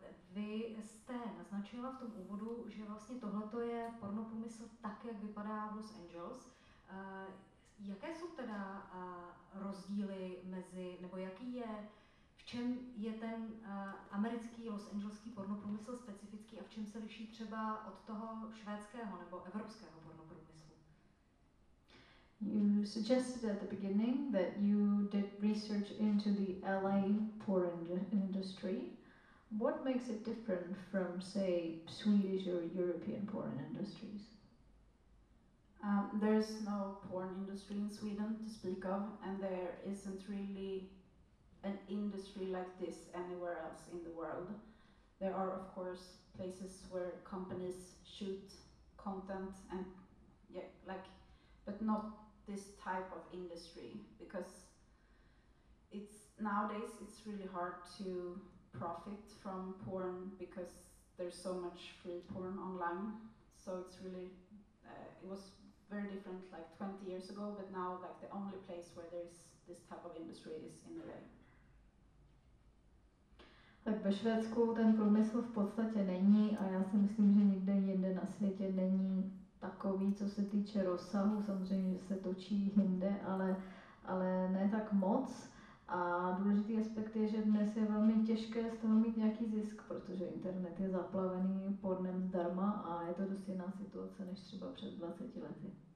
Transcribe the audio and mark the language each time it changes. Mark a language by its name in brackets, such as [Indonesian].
[Czech] Vy jste naznačila v tom úvodu, že vlastně tohleto je pornopůmysl tak, jak vypadá v Los Angeles. Jaké jsou teda rozdíly mezi, nebo jaký je, v čem je ten americký Los Angeleský pornoprůmysl specifický a v čem se liší třeba od toho švédského nebo evropského pornoprůmyslu? [English] You suggested at the beginning that you did research into the LA porn industry. What makes it different from, say, Swedish or European porn industries? There's no porn industry in Sweden to speak of, and there isn't really an industry like this anywhere else in the world. There are, of course, places where companies shoot content and, but not this type of industry, because nowadays it's really hard to profit from porn because there's so much free porn online. So it's really, it was very different like 20 years ago, but now like the only place where there's this type of industry is in LA. [Czech] Tak ve Švédsku ten průmysl v podstatě není a já si myslím, že nikde jinde na světě není takový, co se týče rozsahu. Samozřejmě, že se točí jinde, ale ne tak moc. A důležitý aspekt je, že dnes je velmi těžké z toho mít nějaký zisk, protože internet je zaplavený pornem zdarma a je to dost jiná situace než třeba před 20 lety.